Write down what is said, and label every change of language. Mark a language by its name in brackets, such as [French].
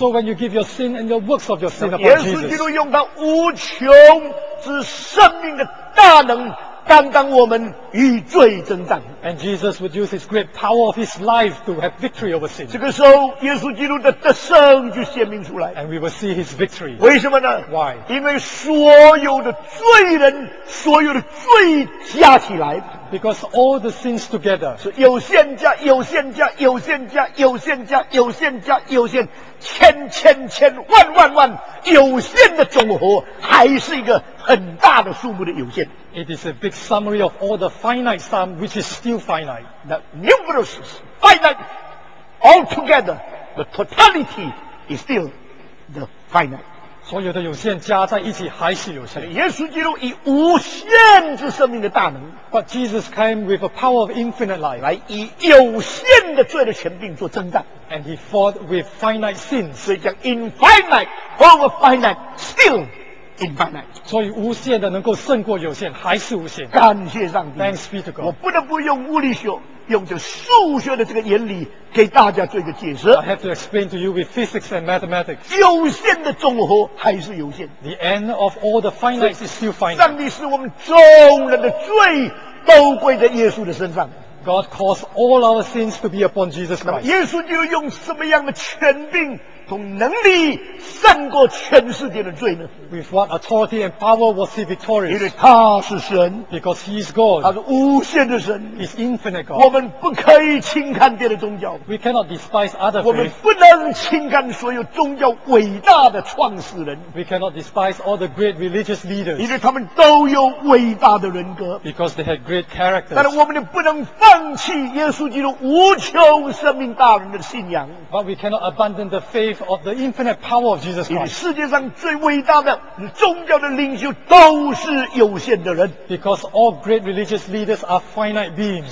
[English] So when you give your sin and your works of your sin upon [Chinese] Jesus 耶稣基督用他无穷之生命的大能担当我们与罪征战 [English] And Jesus would use his great power of his life to have victory over sin [Chinese] 这个时候耶稣基督的得胜就显明出来 [English] And we will see his victory [Chinese] 为什么呢 [English] Why? [Chinese] 因为所有的罪人所有的罪加起来 [English] Because all the sins together [Chinese] 是有限加有限加有限加有限加有限加有限千千千万万万有限的总和还是一个很大的数目的有限 [English] It is a big summary of all the finite sum which is still finite The numerous finite all together the totality is still the finite [Chinese] 所有的有限加在一起还是有限耶稣基督以无限之生命的大能 [English] But Jesus came with a power of infinite life [Chinese] 来以有限的罪的权柄做征战 [English] And he fought with finite sins [Chinese] 所以讲 [English] infinite over finite still infinite [Chinese] 所以无限的能够胜过有限还是无限感谢上帝 [English] Thanks be to God [Chinese] 我不能不用物理学用着数学的这个原理给大家做一个解释 [English] I have to explain to you with physics and mathematics [Chinese] 有限的总和还是有限 [English] The end of all the finites is still finite [Chinese] 上帝使我们众人的罪都归在耶稣的身上 [English] God caused all our sins to be upon Jesus Christ [Chinese] 耶稣就用什么样的权柄同能力胜过全世界的罪呢 [English] With what authority and power was he victorious? [Chinese] 因为他是神 [English] Because he is God [Chinese] 他是无限的神 [English] He's infinite God [Chinese] 我们不可以轻看别的宗教 [English] We cannot despise other faith [Chinese] 我们不能轻看所有宗教伟大的创始人 [English] We cannot despise all the great religious leaders [Chinese] 因为他们都有伟大的人格 [English] Because they had great characters [Chinese] 但是我们也不能放弃耶稣基督无穷生命大能的信仰 [English] But we cannot abandon the faithof the infinite power of Jesus Christ [Chinese] 因为世界上最伟大的宗教的领袖都是有限的人 [English] because all great religious leaders are finite beings